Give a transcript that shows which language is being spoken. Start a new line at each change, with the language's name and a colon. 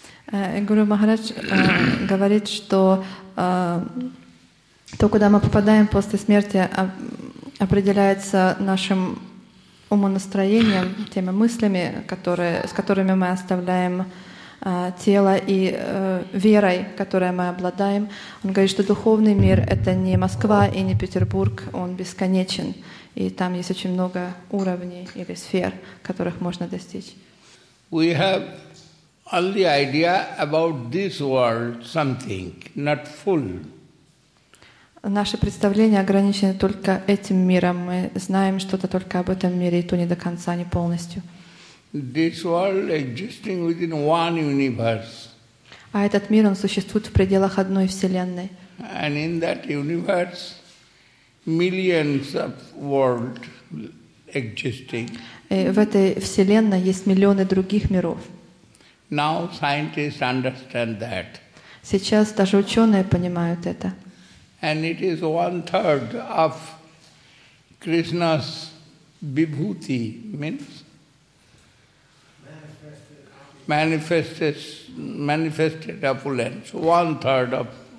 Russian: Гуру Махарадж говорит, что то, куда мы попадаем после смерти, определяется нашим умонастроением, теми мыслями, с которыми мы оставляем тела и верой, которой мы обладаем. Он говорит, что духовный мир — это не Москва и не Петербург, он бесконечен, и там есть очень много уровней или сфер, которых можно достичь.
English: We have only idea about this world something, not full.
Russian: Наши представления ограничены только этим миром. Мы знаем что-то только об этом мире, и то не до конца, не полностью.
English: This world existing within one universe.
Russian: А этот мир, он существует в пределах одной Вселенной.
English: And in that universe, millions of worlds existing.
Russian: И в этой Вселенной есть миллионы других миров.
English: Now scientists understand that.
Russian: Сейчас даже ученые понимают это.
English: And it is one third of Krishna's vibhuti, means manifested opulence. One third of.